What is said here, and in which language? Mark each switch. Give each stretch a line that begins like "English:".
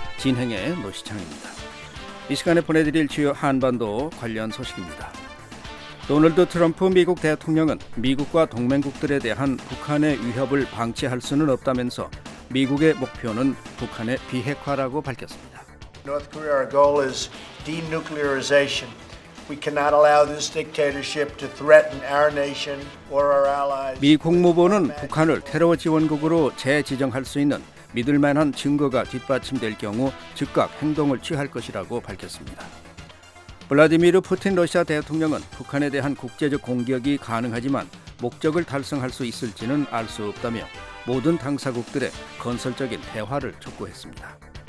Korean: 진행의 노시창입니다. 이 시간에 보내드릴 주요 한반도 관련 소식입니다. 도널드 트럼프 미국 대통령은 미국과 동맹국들에 대한 북한의 위협을 방치할 수는 없다면서 미국의 목표는 북한의 비핵화라고 밝혔습니다.
English: North Korea, our goal is denuclearization. We cannot allow this dictatorship to threaten our nation or our allies.
Korean: 미 국무부는 북한을 테러 지원국으로 재지정할 수 있는 믿을 만한 증거가 뒷받침될 경우 즉각 행동을 취할 것이라고 밝혔습니다. 블라디미르 푸틴 러시아 대통령은 북한에 대한 국제적 공격이 가능하지만 목적을 달성할 수 있을지는 알 수 없다며 모든 당사국들의 건설적인 대화를 촉구했습니다.